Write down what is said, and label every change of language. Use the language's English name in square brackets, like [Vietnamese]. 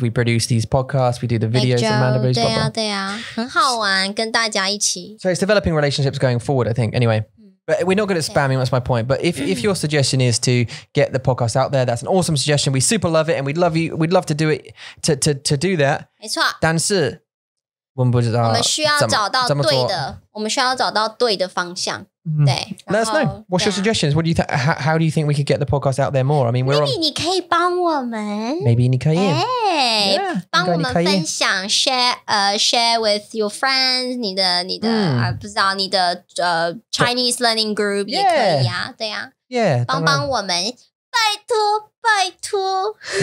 [English] We produce these podcasts. We do the videos. Mandarin, blah, blah. So it's developing relationships going forward, I think. Anyway, but we're not good at spamming. That's my point. But if your suggestion is to get the podcast out there, that's an awesome suggestion. We super love it. And we'd love you. We'd love to do it to do that. [Chinese] 没错。但是, 我们不知道怎么做。我们需要找到对的方向。 [English] Let us know. What's your suggestions? What do you how do you think we could get the podcast out there more? I mean, we're [Chinese] maybe 你可以帮我们. Maybe 你可以.Hey, 帮我们分享, [English] share with your friends. [Chinese] 你的 Chinese learning group 也可以啊，对呀。Yeah, 帮帮我们，拜托拜托.